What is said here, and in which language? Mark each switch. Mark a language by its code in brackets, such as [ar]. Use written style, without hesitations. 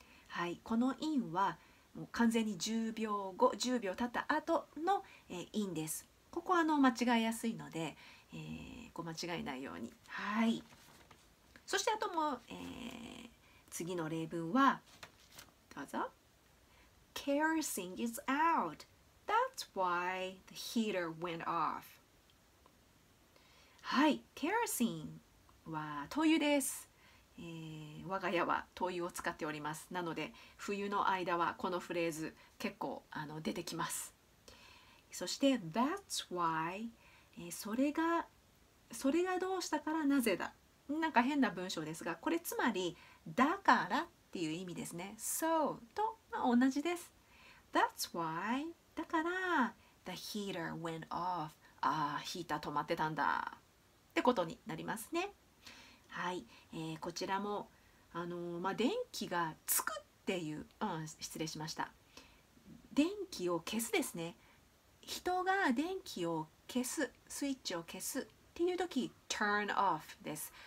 [ja] はい、この in はもう完全に10秒後、10秒経った後の、in です。ここは間違いやすいので、ご間違いないように。はい、そしてあとも、次の例文はどうぞ。 [en] Kerosene is out. That's why the heater went off. [ja] はい、Kerosene は灯油です。我が家は灯油を使っております。なので冬の間はこのフレーズ結構出てきます。そして That's why、それがどうしたからなぜだ。なんか変な文章ですが、これつまりだからっていう意味ですね。 So と、同じです。 [en] That's why だから The heater went off。 [ja] ヒーター止まってたんだってことになりますね。はい、こちらも、電気がつくっていう、失礼しました。電気を消すですね。人が電気を消す、スイッチを消すっていう時、 turn off です。